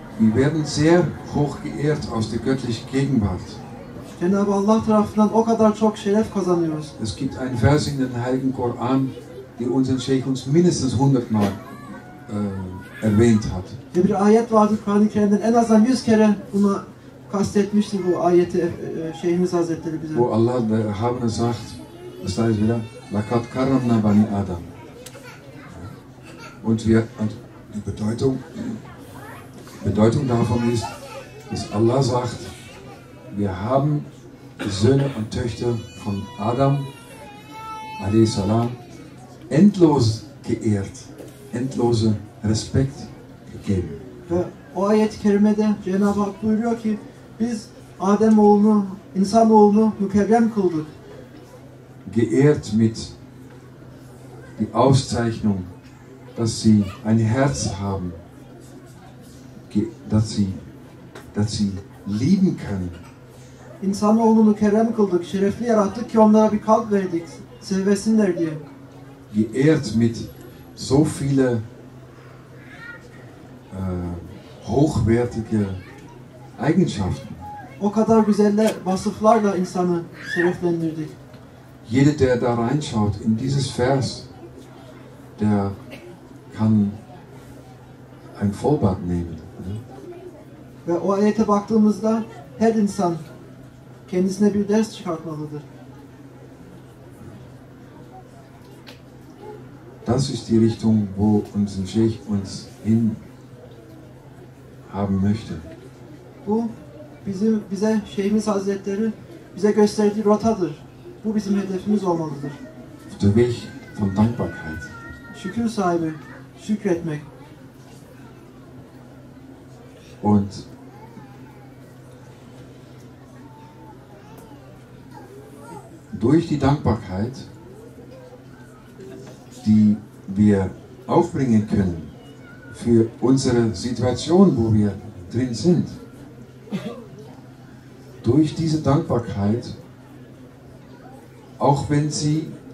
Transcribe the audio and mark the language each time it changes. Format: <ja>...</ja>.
<de>Wir werden sehr hoch geehrt aus der göttlichen Gegenwart.</de> <tr>Cenab-ı Allah tarafından o kadar çok şeref kazanıyoruz.</tr> <de>Es gibt ein Vers in den Heiligen Koran, die unseren Şeyh uns mindestens 100 Mal erwähnt hat.</de> <tr>Ve bir ayet vardır Kur'an-ı Kerim'den. En azından 100 kere buna kastetmişti bu ayeti Şeyhimiz Hazretleri bize.</tr> <de>Bu Allah der Erhabene sagt, das heißt wieder,</de> <ar>Lakat karramna bani Adam.</ar> <de>Und wir, und die Bedeutung davon ist, dass Allah sagt, wir haben die Söhne und Töchter von Adam, alayhi salam, endlos geehrt, endlose Respekt gegeben.</de> <tr>Ve o ayet-i kerimede Cenab-ı Hak buyuruyor ki, biz Adem oğlunu, insan oğlunu mükerrem kıldık.</tr> <de>Geehrt mit die Auszeichnung, dass sie ein Herz haben, dass sie lieben können.</de> <tr>İnsanoğlunu kerem kıldık, şerefli yarattık ki onlara bir kalp verdik, sevesinler diye.</tr> <de>Geehrt mit so viele hochwertige Eigenschaften.</de> <tr>O kadar güzel vasıflarla insanı şereflendirdik.</tr> <de>Jeder, der da reinschaut in dieses Vers, der kann ein Vollbad nehmen.</de> <tr>Ve o ayete baktığımızda her insan kendisine bir ders çıkartmalıdır.</tr> <de>Das ist die Richtung, wo unser Sheikh uns hin haben möchte.</de> <tr>Bu bizim bize Şeyhimiz Hazretleri bize gösterdiği rotadır. Bu bizim hedefimiz olmalıdır.</tr> <de>Der Weg von Dankbarkeit.</de> <tr>Şükür sahibi, şükretmek.</tr> <de>Und durch die Dankbarkeit, die wir aufbringen können für unsere Situation, wo wir drin sind, durch diese Dankbarkeit, auch wenn sie</de>